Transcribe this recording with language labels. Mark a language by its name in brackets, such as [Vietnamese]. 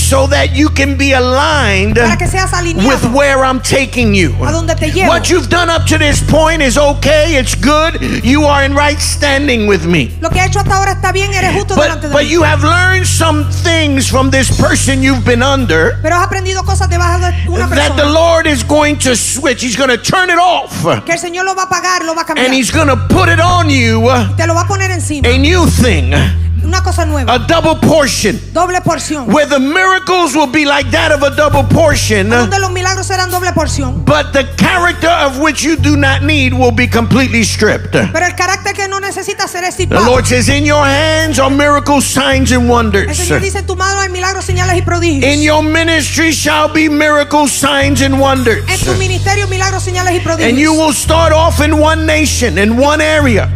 [English] so that you can be aligned [Spanish] para que seas alineado [English] with where I'm taking you. [Spanish] A donde te llevo. [English] What you've done up to this point is okay, it's good, you are in right standing with me. But you have learned some things from this person you've been under [Spanish] pero has aprendido cosas debajo de una persona, [English] that the Lord is going to switch. He's going to turn it off. [Spanish] Que el Señor lo va a pagar, lo va a cambiar. [English] And he's going to put it on you [Spanish] te lo va a poner encima. [English] A new thing. [Spanish] Una cosa nueva. [English] A double portion. [Spanish] Doble porción. [English] Where the miracles will be like that of a double portion. [Spanish] Donde los milagros serán doble porción. [English] But the character of which you do not need will be completely stripped. [Spanish] Pero el carácter que no necesita será estirpado. [English] The Lord says, in your hands are miracles, signs, and wonders. [Spanish] El Señor dice, en tu mano hay milagros, señales y prodigios. [English] In your ministry shall be miracles, signs, and wonders. [Spanish] En tu ministerio milagros, señales y prodigios. [English] And you will start off in one nation, in one area.